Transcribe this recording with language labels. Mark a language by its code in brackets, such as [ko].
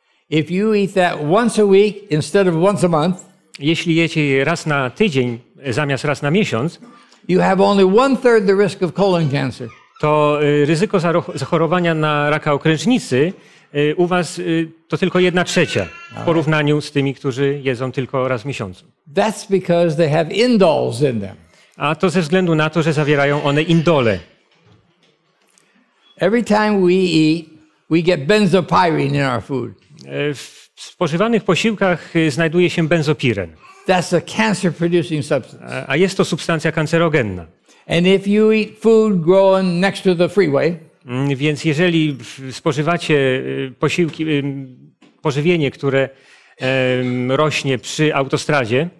[en] If you eat that once a week instead of once a month. [pl] Jeśli jecie raz na tydzień zamiast raz na miesiąc, [en] you have only 1/3 the risk of colon cancer. [pl] To ryzyko zachorowania na raka okrężnicy u was to tylko 1/3 w porównaniu z tymi, którzy jedzą tylko raz w miesiącu. [en] That's because they have indoles in them. [pl] A to ze względu na to, że zawierają one indole. [en] Every time we eat, we get benzopyrene in our food. [pl] W spożywanych posiłkach znajduje się benzopiren. [en] That's a cancer producing substance. [pl] A jest to substancja kancerogenna. [en] And if you eat food grown next to the freeway, [pl] więc jeżeli spożywacie posiłki, pożywienie, które rośnie przy autostradzie,